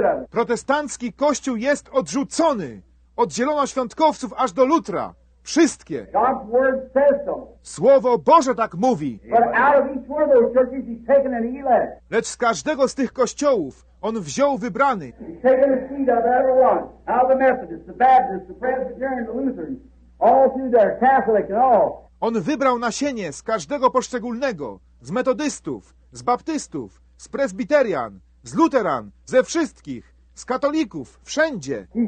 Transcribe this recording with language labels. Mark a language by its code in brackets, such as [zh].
[pl] Protestancki Kościół jest odrzucony od zielonoświątkowców aż do Lutra. wszystkie. [en] God's word says so. [pl] Słowo Boże tak mówi. [en] But out of each one of those churches, he's taken an elect. [pl] Lecz z każdego z tych kościołów on wziął wybrany. [en] He's taken a seed out of every one. Out of the Methodists, the Baptists, the Presbyterians, the Lutherans. All through there, Catholic and all. [pl] On wybrał nasienie z każdego poszczególnego, z metodystów, z baptystów, z presbiterian, z luteran, ze wszystkich, z katolików, wszędzie.